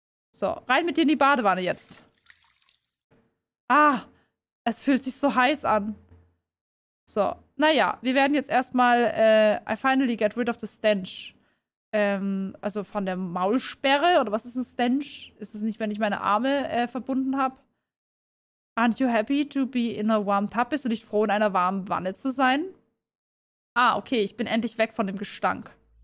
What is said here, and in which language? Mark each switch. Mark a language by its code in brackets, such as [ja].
[de] So, rein mit dir in die Badewanne jetzt. Ah, es fühlt sich so heiß an. So, naja, wir werden jetzt erstmal, [en] I finally get rid of the stench. [de] Also von der Maulsperre oder was ist ein Stench? Ist es nicht, wenn ich meine Arme verbunden habe? [en] Aren't you happy to be in a warm tub? [de] Bist du nicht froh, in einer warmen Wanne zu sein? Ah, okay, ich bin endlich weg von dem Gestank.